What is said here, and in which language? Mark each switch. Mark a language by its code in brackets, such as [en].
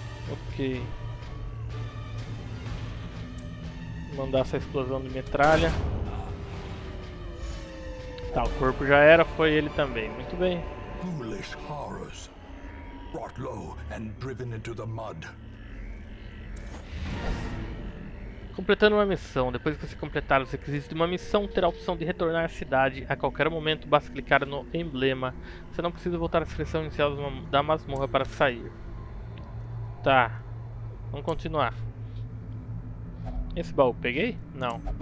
[pt] Ok. Mandar essa explosão de metralha. Tá, o corpo já era, foi ele também. Muito bem. [en] Foolish horrors. Brought low and driven into the mud. [pt] Completando uma missão. Depois que você completar os requisitos de uma missão, terá a opção de retornar à cidade a qualquer momento. Basta clicar no emblema. Você não precisa voltar à seleção inicial da masmorra para sair. Tá. Vamos continuar. Esse baú peguei? Não.